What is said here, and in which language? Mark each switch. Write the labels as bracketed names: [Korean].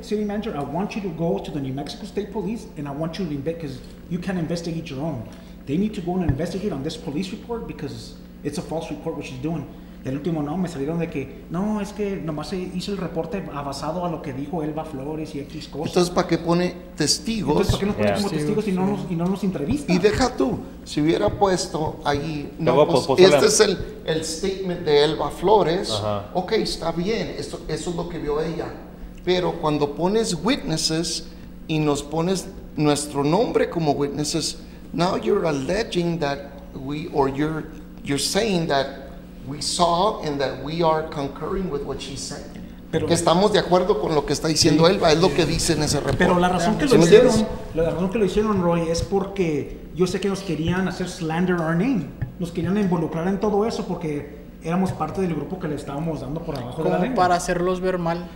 [English] City Manager, I want you to go to the New Mexico State Police and I want you to investigate, because you can investigate your own. They need to go and investigate on this police report because it's a false report what she's doing. [Spanish] Y el último, no, me salieron de que, no, es que nomás hizo el reporte basado a lo que dijo Elba Flores y X cosas. Entonces, ¿para qué pone testigos? Entonces, ¿para qué nos pone como testigos y no nos entrevista? Y deja tú, si hubiera puesto ahí, no, pues, este es el statement de Elba Flores, ajá. Ok, está bien, eso es lo que vio ella. Pero cuando pones witnesses y nos pones nuestro nombre como witnesses, [English] now you're alleging that you're saying that we saw and that we are concurring with what she's saying. [Spanish] Pero, que estamos de acuerdo con lo que está diciendo, sí, Elba, es lo que dice en ese reporte. Pero la razón que lo hicieron, Roy, es porque yo sé que nos querían hacer [English] slander our name. [Spanish] Nos querían involucrar en todo eso porque éramos parte del grupo que le estábamos dando por abajo como de la lengua. Para hacerlos ver mal.